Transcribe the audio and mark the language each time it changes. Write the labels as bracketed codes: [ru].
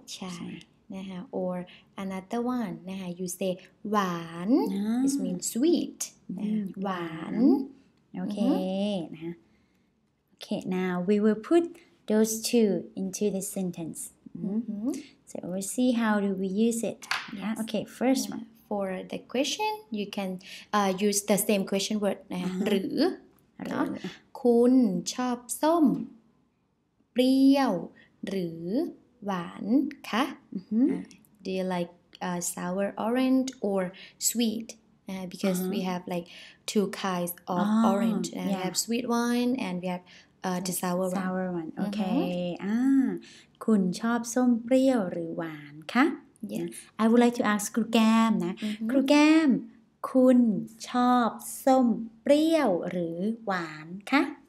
[en] ใช่. นะฮะ. Or another one, นะฮะ. You say หวาน. It means sweet. หวาน. Okay. นะฮะOkay, now we will put those two into the sentence. So we'll see how do we use it. Okay, first one. For the question, you can use the same question word. [th] หรือ คุณชอบส้มเปรี้ยวหรือหวานคะ [en] Do you like sour orange or sweet? Because we have like two kinds of orange. And we have sweet one and we have... the sour one. Sour one. Okay. [th] คุณชอบส้มเปรี้ยวหรือหวานคะ [en] I would like to ask [th] ครูแก้มนะครูแก้มคุณชอบส้มเปรี้ยวหรือหวานคะ